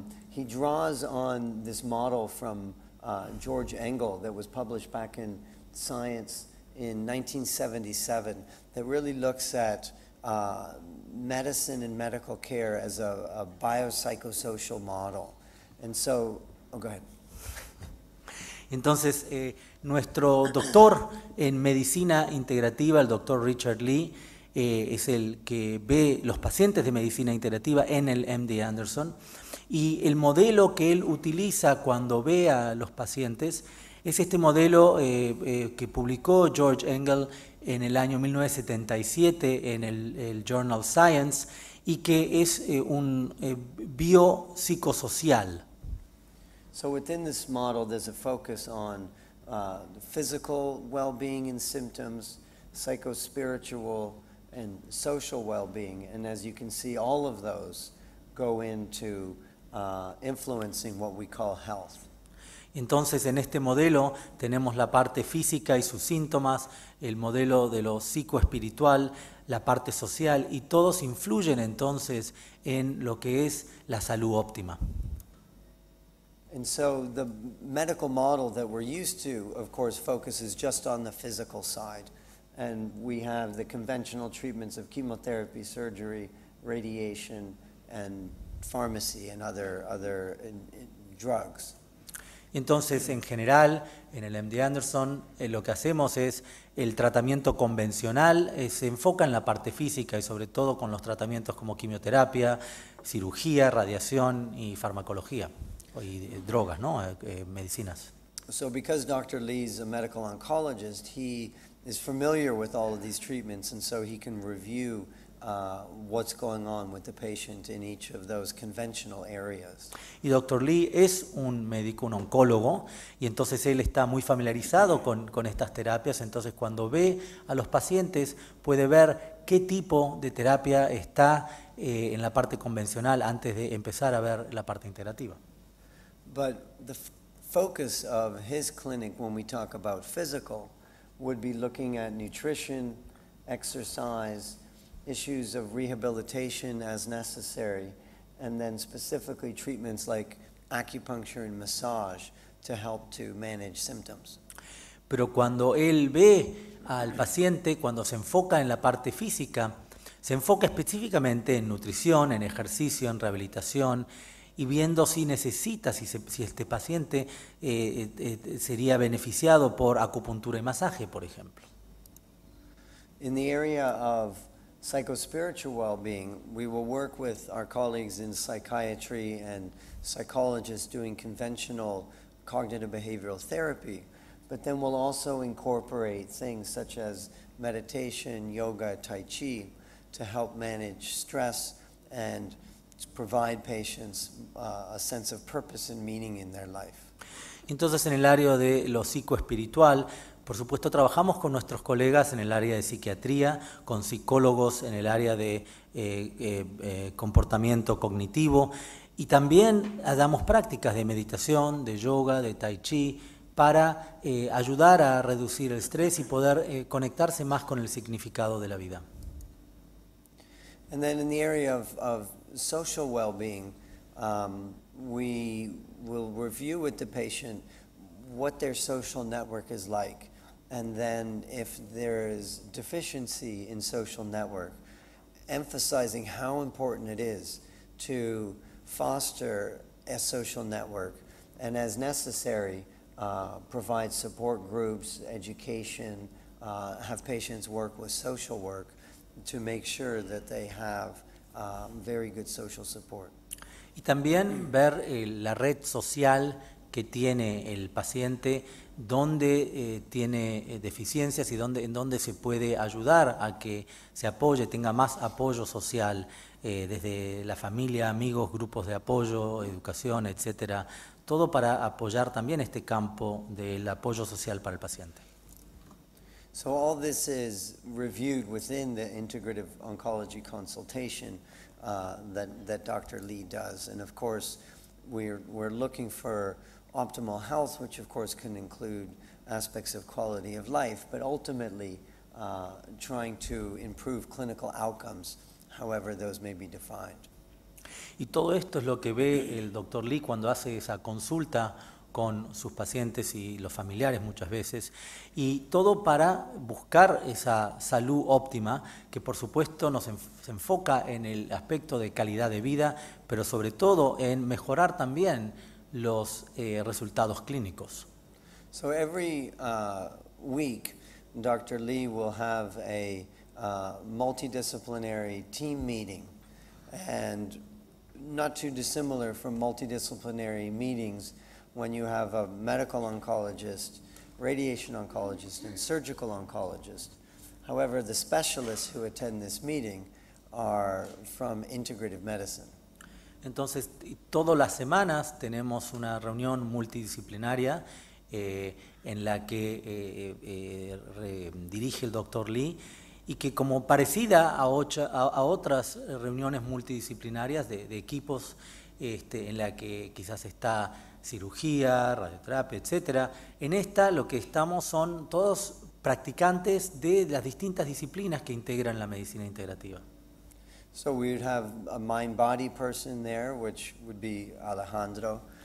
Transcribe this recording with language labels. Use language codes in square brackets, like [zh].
[en] He draws on this model from George Engel that was published back in Science in 1977 that really looks at medicine and medical care as a biopsychosocial model. And so, oh, go ahead. [es] Entonces, nuestro doctor en medicina integrativa, el doctor Richard Lee, es el que ve los pacientes de medicina integrativa en el MD Anderson. Y el modelo que él utiliza cuando ve a los pacientes es este modelo que publicó George Engel en el año 1977 en el Journal Science y que es un biopsicosocial. [en] So within this model, there's a focus on physical well-being and symptoms, psycho-spiritual and social well-being. And as you can see, all of those go into influencing what we call health. [es] Entonces, en este modelo, tenemos la parte física y sus síntomas, el modelo de lo psico-espiritual, la parte social, y todos influyen entonces en lo que es la salud óptima. [en] And so the medical model that we're used to, of course, focuses just on the physical side. And we have the conventional treatments of chemotherapy, surgery, radiation, and pharmacy and other drugs. [es] Entonces, en general, en el MD Anderson, lo que hacemos es el tratamiento convencional, se enfoca en la parte física y sobre todo con los tratamientos como quimioterapia, cirugía, radiación y farmacología. Y drogas, ¿no? Medicinas. [en] So because Dr. Lee's a medical oncologist, he is familiar with all of these treatments, and so he can review what's going on with the patient in each of those conventional areas. [es] Y Dr. Lee es un médico, un oncólogo, y entonces él está muy familiarizado con estas terapias, entonces cuando ve a los pacientes puede ver qué tipo de terapia está en la parte convencional antes de empezar a ver la parte integrativa. [en] But the focus of his clinic, when we talk about physical, would be looking at nutrition, exercise, issues of rehabilitation as necessary, and then specifically treatments like acupuncture and massage to help to manage symptoms. [es] Pero cuando él ve al paciente, cuando se enfoca en la parte física, se enfoca específicamente en nutrición, en ejercicio, en rehabilitación, y viendo si necesita, si este paciente sería beneficiado por acupuntura y masaje, por ejemplo. [en] In the area of psycho-spiritual well-being, we will work with our colleagues in psychiatry and psychologists doing conventional cognitive behavioral therapy, but then we'll also incorporate things such as meditation, yoga, tai chi, to help manage stress and provide patients a sense of purpose and meaning in their life. [es] Entonces, en el área de lo psicoespiritual, por supuesto, trabajamos con nuestros colegas en el área de psiquiatría, con psicólogos en el área de comportamiento cognitivo, y también damos prácticas de meditación, de yoga, de tai chi, para ayudar a reducir el estrés y poder conectarse más con el significado de la vida. [en] And then in the area of social well-being, we will review with the patient what their social network is like, and then if there is deficiency in social network, emphasizing how important it is to foster a social network, and as necessary, provide support groups, education, have patients work with social work, to make sure that they have very good social support. [es] Y también ver la red social que tiene el paciente, dónde tiene deficiencias y dónde, en dónde se puede ayudar a que se apoye, tenga más apoyo social desde la familia, amigos, grupos de apoyo, educación, etcétera, todo para apoyar también este campo del apoyo social para el paciente. [en] So all this is reviewed within the integrative oncology consultation that Dr. Lee does, and of course we're looking for optimal health, which of course can include aspects of quality of life, but ultimately trying to improve clinical outcomes, however those may be defined. [es] Y todo esto es lo que ve el Dr. Lee cuando hace esa consulta con sus pacientes y los familiares muchas veces, y todo para buscar esa salud óptima, que por supuesto nos se enfoca en el aspecto de calidad de vida, pero sobre todo en mejorar también los resultados clínicos. [en] So every week, Dr. Lee will have a multidisciplinary team meeting, and not too dissimilar from multidisciplinary meetings when you have a medical oncologist, radiation oncologist, and surgical oncologist. However, the specialists who attend this meeting are from integrative medicine. [es] Entonces, todas las semanas tenemos una reunión multidisciplinaria en la que dirige el Dr. Lee, y que como parecida a otras reuniones multidisciplinarias de equipos en la que quizás está cirugía, radioterapia, etcétera, en esta lo que estamos son todos practicantes de las distintas disciplinas que integran la medicina integrativa. [en] So we would have a mind-body person there, which would be Alejandro.